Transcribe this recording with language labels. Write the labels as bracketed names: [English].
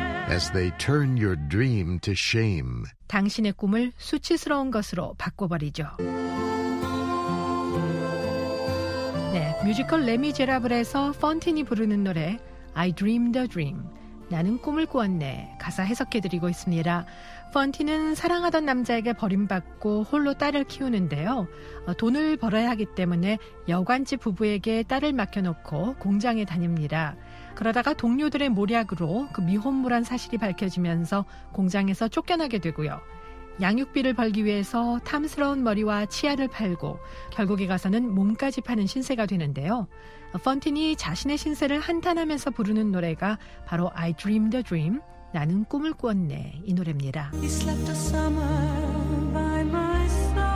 [English] as they turn your dream to shame. [Korean] 당신의 꿈을 수치스러운 것으로 바꿔버리죠. 네, 뮤지컬 레미제라블에서 폰틴이 부르는 노래 I Dreamed a Dream. 나는 꿈을 꾸었네. 가사 해석해드리고 있습니다. 펀티는 사랑하던 남자에게 버림받고 홀로 딸을 키우는데요. 돈을 벌어야 하기 때문에 여관집 부부에게 딸을 맡겨놓고 공장에 다닙니다. 그러다가 동료들의 모략으로 그 미혼모란 사실이 밝혀지면서 공장에서 쫓겨나게 되고요. 양육비를 벌기 위해서 탐스러운 머리와 치아를 팔고 결국에 가서는 몸까지 파는 신세가 되는데요. 펀틴이 자신의 신세를 한탄하면서 부르는 노래가 바로 I Dreamed a Dream, 나는 꿈을 꾸었네 이 노래입니다. [English] He slept a summer by my side.